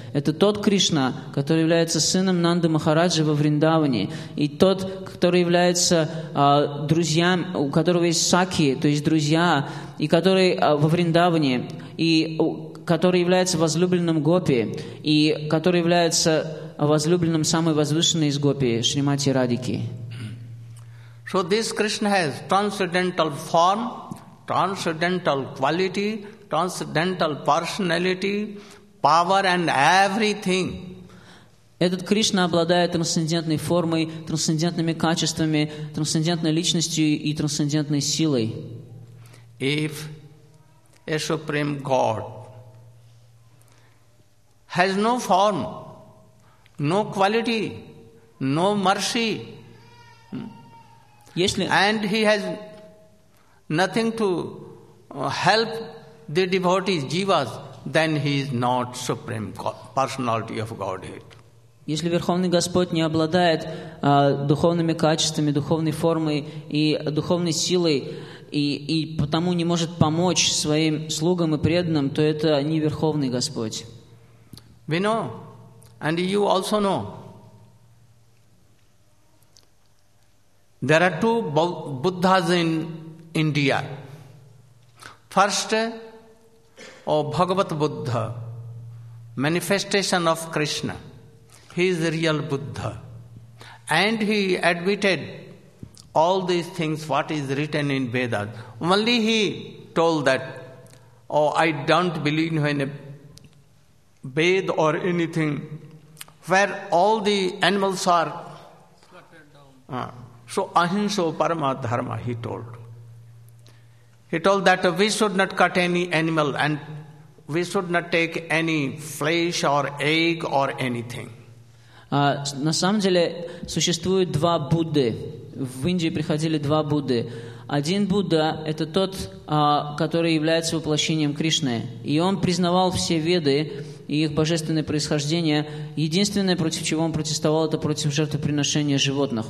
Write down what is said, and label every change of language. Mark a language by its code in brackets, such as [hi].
[ru] Это тот Кришна, который является сыном Нанды Махараджи во Вриндаване, и тот, который является друзьям, у которого есть сакхи, то есть друзья, и который во Вриндаване, и который является возлюбленным гопи, и который является возлюбленным самой возвышенной из гопи, Шримати Радики. [en] So this Krishna has transcendental form, transcendental quality, transcendental personality, power and everything. [ru] Этот Кришна обладает трансцендентной формой, трансцендентными качествами, трансцендентной личностью и трансцендентной силой. [en] If a supreme God has no form, no quality, no mercy, and he has nothing to help the devotees, jivas, then he is not supreme personality of Godhead. [ru] Если Верховный Господь не обладает духовными качествами, духовной формой и духовной силой, и потому не может помочь своим слугам и преданным, то это не Верховный Господь. [en] We know, and you also know, there are two Buddhas in India. First, Bhagavat Buddha, manifestation of Krishna. He is the real Buddha. And he admitted all these things, what is written in Vedas. Only he told that, I don't believe in a Ved or anything where all the animals are slaughtered down. So [sa] ahimsa parama dharma, [en] he told. He told that we should not cut any animal and we should not take any flesh or egg or anything. [ru] На самом деле существует два Будды. В Индии приходили два Будды. Один Будда – это тот, который является воплощением Кришны. И он признавал все Веды и их божественное происхождение. Единственное, против чего он протестовал, это против жертвоприношения животных.